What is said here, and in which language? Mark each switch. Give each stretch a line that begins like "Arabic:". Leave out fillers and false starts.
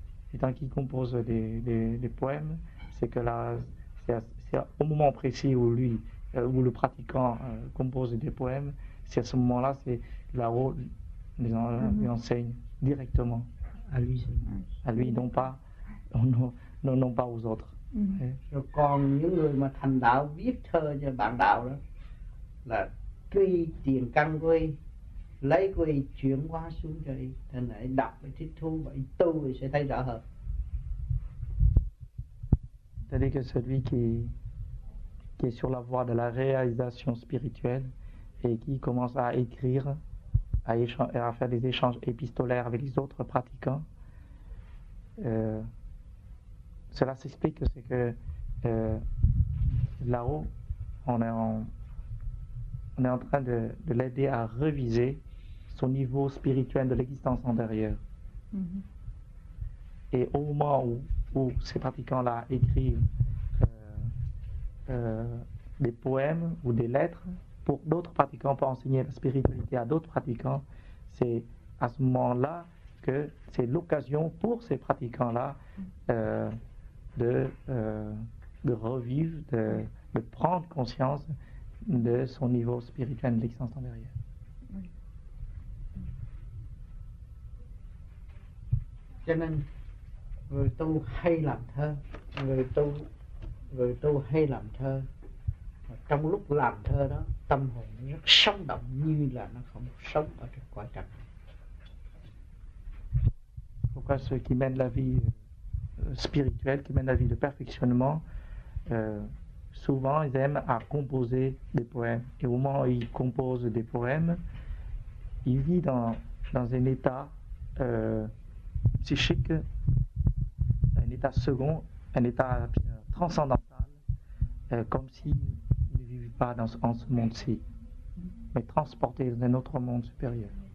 French: et tant qu'il compose des poèmes, c'est que là, c'est au moment précis où lui, où le pratiquant compose des poèmes, c'est à ce moment-là, c'est là-haut, lui enseigne directement. À lui. À lui, non pas, non pas aux autres.
Vietnamese: Còn những người mà thành đạo viết thơ cho bạn đạo đó là truy tiền căn quy, lấy quy chuyển hóa xuống cho y, thì lại đọc và tiếp thu và tu thì sẽ thấy rõ hơn.
French: C'est-à-dire que celui qui est sur la voie de la réalisation spirituelle et qui commence à écrire, à faire des échanges épistolaires avec les autres pratiquants, cela s'explique, c'est que là-haut, on est en train de l'aider à réviser son niveau spirituel de l'existence antérieure. Mm-hmm. Et au moment où ces pratiquants-là écrivent des poèmes ou des lettres pour d'autres pratiquants, pour enseigner la spiritualité à d'autres pratiquants, c'est à ce moment-là que c'est l'occasion pour ces pratiquants-là de revivre, de prendre conscience de son niveau spirituel de l'existence antérieure.
Vietnamese: Cho nên người tu hay làm thơ trong lúc làm thơ đó tâm hồn rất sống động như là nó không sống ở trong quả trần.
French: Pourquoi ceux qui mènent la vie spirituelle, qui mènent la vie de perfectionnement, souvent ils aiment à composer des poèmes. Et au moment où ils composent des poèmes, ils vivent dans un état psychique, un état second, un état transcendantal, comme s'ils ne vivaient pas en ce monde-ci, mais transportés dans un autre monde supérieur.